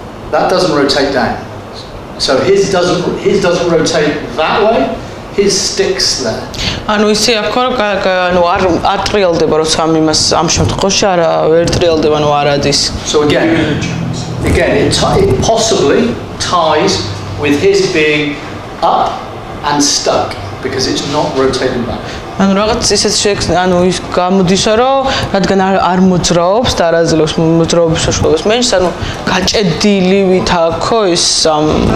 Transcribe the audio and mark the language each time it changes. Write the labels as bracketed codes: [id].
[en] That doesn't rotate down. So his doesn't rotate that way. His sticks there. [ka] ანუ ისე აქვს რა ანუ არ ატრიალდება როცა იმას ამ შემთხვევაში არა ვერ ტრიალდება ანუ არ ადის. [en] So again it possibly ties with his being up and stuck because it's not rotating back. [ka] ანუ რაღაც ისეთ შეიძლება ანუ ის გამოდისო რომ რადგან არ მოძრაობს და არ აძლევს მოძრაობის საშუალებას მე ის ანუ გაჭედილი ვით აქო ის ამ